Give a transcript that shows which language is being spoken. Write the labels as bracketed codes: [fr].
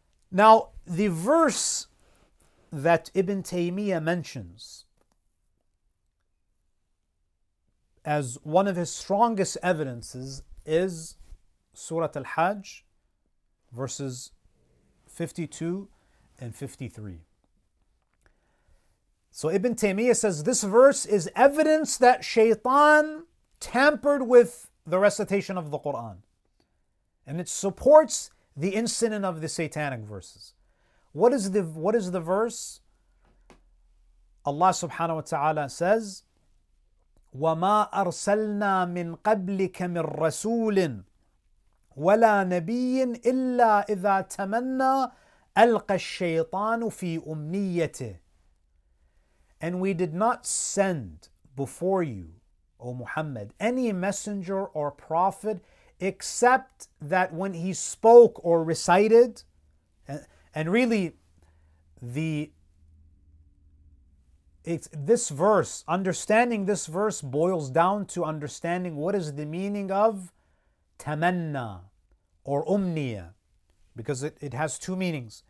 [en] Now, the verse that Ibn Taymiyyah mentions as one of his strongest evidences is Surah Al-Hajj, verses 52 and 53. So Ibn Taymiyyah says this verse is evidence that Shaytan tampered with the recitation of the Quran. And it supports the incident of the satanic verses. What is the verse? Allah subhanahu wa ta'ala says, [ar] وَمَا أَرْسَلْنَا مِنْ قَبْلِكَ مِنْ رَسُولٍ وَلَا نَبِيٍّ إِلَّا إِذَا تَمَنَّى أَلْقَ الشَّيْطَانُ فِي أُمْنِيَّتِهِ. [en] And we did not send before you, O Muhammad, any messenger or prophet except that when he spoke or recited, and really the it's this verse, understanding this verse boils down to understanding what is the meaning of tamanna or umniya, because it has two meanings.